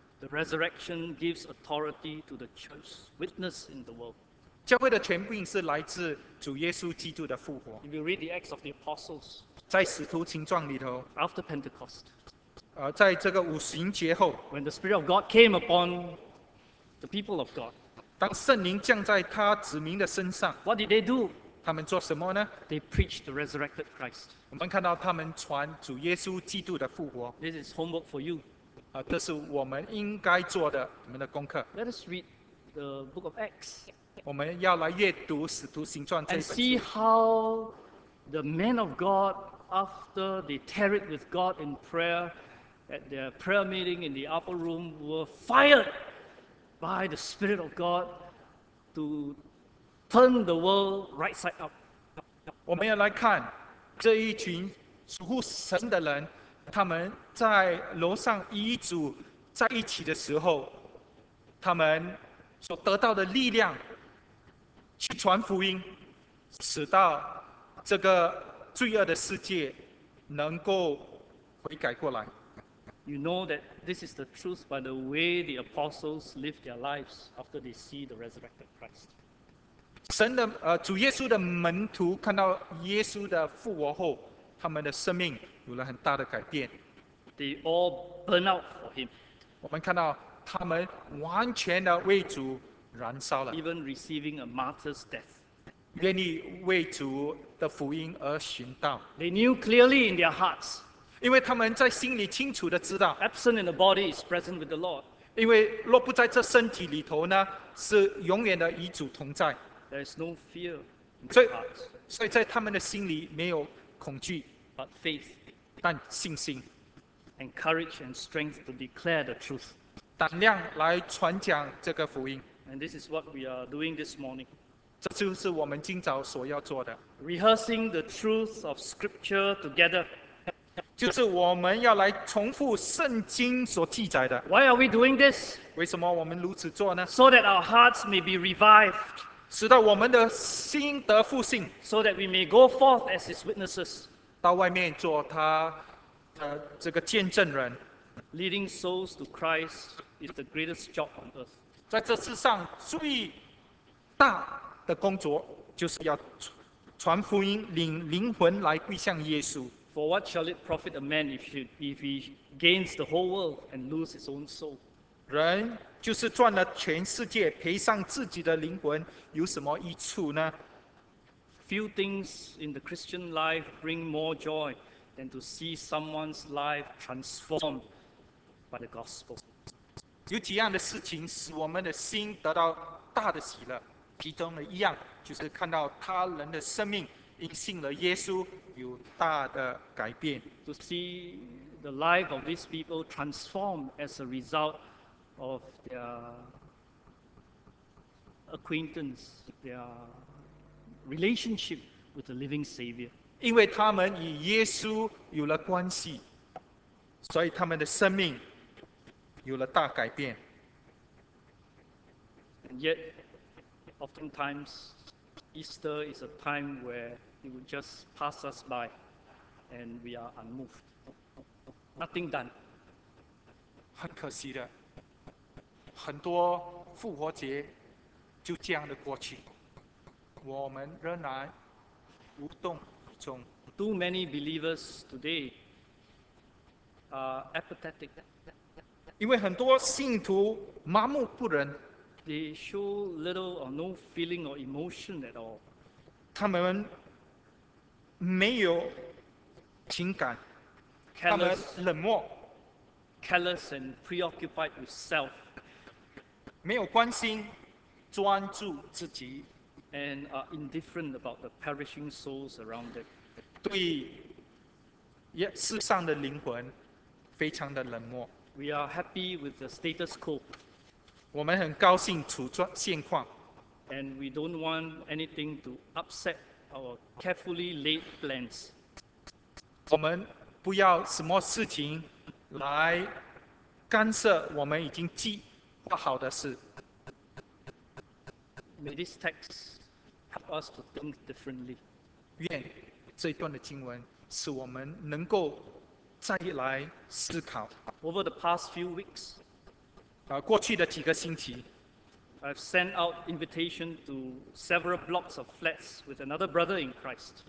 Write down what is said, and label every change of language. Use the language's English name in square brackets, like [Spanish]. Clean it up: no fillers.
[English] The resurrection gives authority to the church witness in the world. [Chinese] 教会的权柄是来自主耶稣基督的复活。 [English] If you read the Acts of the Apostles, [Chinese] 在使徒行传里头 [English] after Pentecost. [Chinese] 在这个五旬节后 [English] When the Spirit of God came upon the people of God, [Chinese] 当圣灵降在他子民的身上 [English] What did they do? [Chinese] 他们做什么呢？ [English] They preached the resurrected Christ. [Chinese] 我们看到他们传主耶稣基督的复活。 [English] This is homework for you. [Chinese] 这是我们应该做的，我们的功课。 [English] Let us read the book of Acts. [Chinese] 我们要来阅读《使徒行传》这本书。 [English] And see how the men of God, after they tarried with God in prayer,at their prayer meeting in the upper room, were fired by the Spirit of God to turn the world right side up. [Chinese] 我们要来看这一群属乎神的人，他们在楼上一组在一起的时候，他们所得到的力量去传福音，使到这个罪恶的世界能够悔改过来。 [English] You know that this is the truth by the way the apostles live their lives after they see the resurrected Christ. [Chinese] 神的主耶稣的门徒看到耶稣的复活后，他们的生命有了很大的改变。 [English] They all burn out for him. [Chinese] 我们看到他们完全的为主燃烧了。 [English] Even receiving a martyr's death. [Chinese] 愿意为主的福音而殉道。 [English] They knew clearly in their hearts. [Chinese] 因为他们在心里清楚地知道 [English] Absent in the body is present with the Lord. [Chinese] 因为若不在这身体里头呢，是永远的与主同在。 [English] There is no fear in their hearts. [Chinese] 所以在他们的心里没有恐惧 [English] But faith. [Chinese] 但信心 [English] And courage and strength to declare the truth. [Chinese] 胆量来传讲这个福音。 [English] And this is what we are doing this morning. [Chinese] 这就是我们今早所要做的。 [English] Rehearsing the truth of scripture together. [Chinese] 就是我们要来重复圣经所记载的。 [English] Why are we doing this? [Chinese] 为什么我们如此做呢？ [English] So that our hearts may be revived. [Chinese] 使到我们的心得复兴。 [English] So that we may go forth as his witnesses. [Chinese] 到外面做他的这个见证人。 [English] Leading souls to Christ is the greatest job on earth. [Chinese] 在这世上最大的工作就是要传福音，领灵魂来归向耶稣。 [English] For what shall it profit a man if he gains the whole world and lose his own soul? [Chinese] 人就是赚了全世界，赔上自己的灵魂，有什么益处呢？ [English] Few things in the Christian life bring more joy than to see someone's life transformed by the gospel. [Chinese] 有几样的事情使我们的心得到大的喜乐，其中的一样就是看到他人的生命因信了耶稣有大的改变。 [English] To see the life of these people transformed as a result of their acquaintance, their relationship with the living Savior. [Chinese] 因为他们与耶稣有了关系，所以他们的生命有了大改变。 [English] And yet, oftentimes, Easter is a time where it will just pass us by and we are unmoved. Nothing done. [Chinese] 很可惜的，很多复活节就这样的过去，我们仍然无动于衷。 [English] Too many believers today are apathetic. [Chinese] 因为很多信徒麻木不仁。 [English] They show little or no feeling or emotion at all. [Chinese] 他们没有情感， [English] Callous, [Chinese] 他们冷漠。 [English] Callous and preoccupied with self. [Chinese] 没有关心，专注自己。 [English] And are indifferent about the perishing souls around them. [Chinese] 对世上的灵魂非常的冷漠。 [English] We are happy with the status quo. [Chinese] 我们很高兴处状现况。 [English] And we don't want anything to upset our carefully laid plans. [Chinese] 我们不要什么事情来干涉我们已经计划好的事。 [English] May this text help us to think differently. [Chinese] 愿这段的经文使我们能够再来思考。 [English] Over the past few weeks, [Chinese] 过去的几个星期， [English] I've sent out invitation to several blocks of flats with another brother in Christ.